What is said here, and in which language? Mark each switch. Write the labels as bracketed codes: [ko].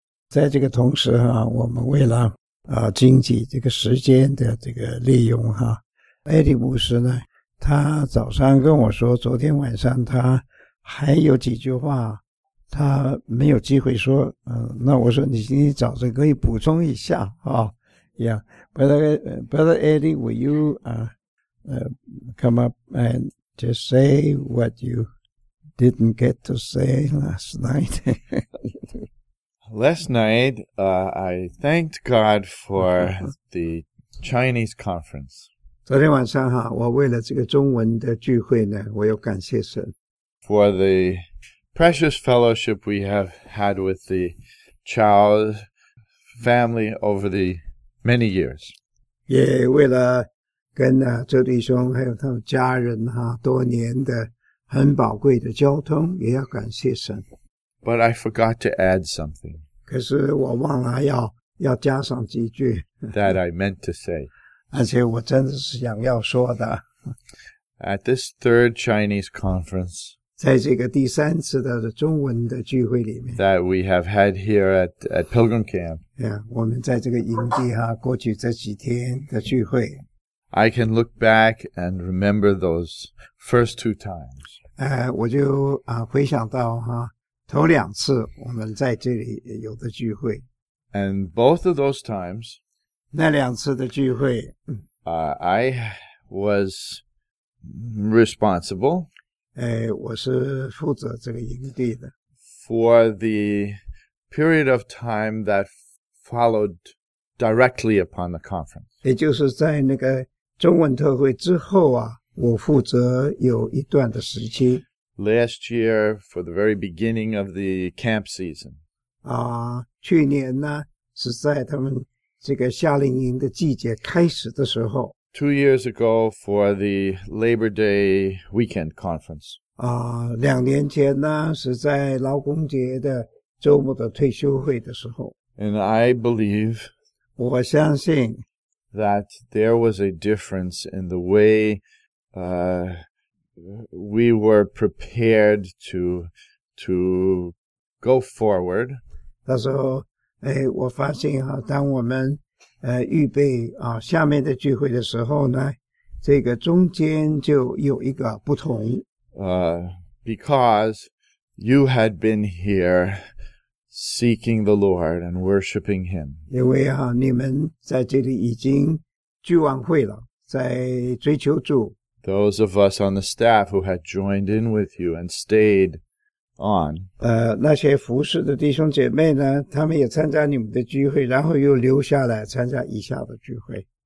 [zh] 在这个同时哈、啊，我们为了经济这个时间的这个利用哈、啊，艾迪牧师呢，他早上跟我说，昨天晚上他还有几句话，他没有机会说。那我说你今天早上可以补充一下啊。 [en] Yeah, Brother Eddie, will you come up and just say what you didn't get to say last night? Last night, I thanked God for the Chinese conference. [zh] 昨天晚上哈，我为了这个中文的聚会呢，我要感谢神。 [en] For the precious fellowship we have had with the Chow family over the many years. [zh] 也为了跟周弟兄还有他们家人哈，多年的很宝贵的交通，也要感谢神。 [en] But I forgot to add something. [zh] 可是我忘了要加上几句。 [en] That I meant to say. [zh] 而且我真的是想要说的。 [en] At this third Chinese conference, [zh] 在这个第三次的中文的聚会里面 [en] ，that we have had here at Pilgrim Camp. [zh] Yeah, 我们在这个营地哈，过去这几天的聚会。 [en] I can look back and remember those first two times. [zh] 我就回想到哈。头两次我们在这里有的聚会。 [en] And both of those times, [zh] 那两次的聚会、 [en] I was responsible, [zh] 我是负责这个营地的。 [en] For the period of time that followed directly upon the conference. [zh] 也就是在那个中文特会之后啊，我负责有一段的时期。 [en] Last year, for the very beginning of the camp season. [zh] 去年呢，是在他们这个夏令营的季节开始的时候。 [en] 2 years ago, for the Labor Day weekend conference. [zh] 两年前呢，是在劳工节的周末的退休会的时候。 [en] And I believe. [zh] 我相信。 [en] That there was a difference in the way, We were prepared to go forward. [zh] 他说，我发现哈，当我们预备下面的聚会的时候呢，这个中间就有一个不同。 [en] Because you had been here seeking the Lord and worshiping Him. [zh] 因为哈，你们在这里已经聚完会了，在追求主。 [en] Those of us on the staff who had joined in with you and stayed on. [zh] 那些服侍的弟兄姐妹呢，他们也参加你们的聚会，然后又留下来参加以下的聚会。